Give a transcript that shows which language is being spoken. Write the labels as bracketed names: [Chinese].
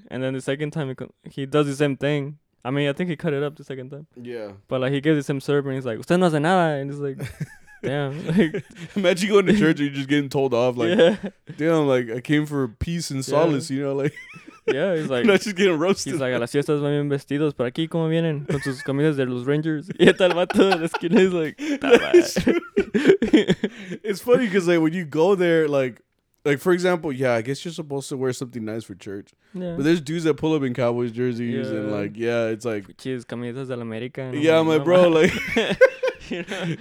[English] And then the second time, he does the same thing. I mean, I think he cut it up the second time. Yeah. But, like, he gives the same sermon, he's like, [Spanish] usted no hace nada. [English] And he's like, damn. Like, imagine going to church and you're just getting told off, like, yeah. Damn, like, I came for peace and solace, yeah. You know, like. Yeah, he's like, no, she's getting roasted. He's like, [Spanish] a las fiestas van bien vestidos, pero aquí como vienen con sus camisas de los Rangers. Y está el vato de la esquina, [English] he's like, it's funny because, like, when you go there, like for example, yeah, I guess you're supposed to wear something nice for church. Yeah. But there's dudes that pull up in Cowboys jerseys, yeah. And like, yeah, it's like, [Spanish] cheese camisas de la América. [English] Yeah, I'm like, bro, like, you know?